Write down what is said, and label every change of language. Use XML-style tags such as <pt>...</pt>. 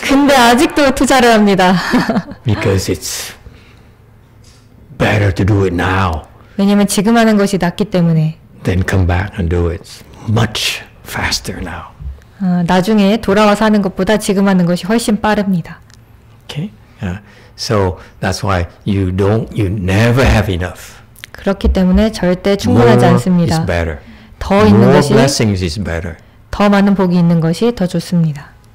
<ko>근데 아직도 투자를 합니다.</ko> <en>Because it's better to do it now.</en> <ko>왜냐면 지금 하는 것이 낫기 때문에.</ko> <en>Then come back and do it much faster now.</en> <ko>나중에 돌아와서 하는 것보다 지금 하는 것이 훨씬 빠릅니다.</ko> <en>Okay. So that's why you never have enough.</en> <ko>그렇기 때문에 절대 충분하지</ko> <en>More</en> <ko>않습니다.</ko> <en>Is better.</en> <ko>더</ko> <en>More</en> <ko>있는 것이</ko> <en>blessings is better.</en> <ko>더 많은 복이 있는 것이 더 좋습니다.</ko>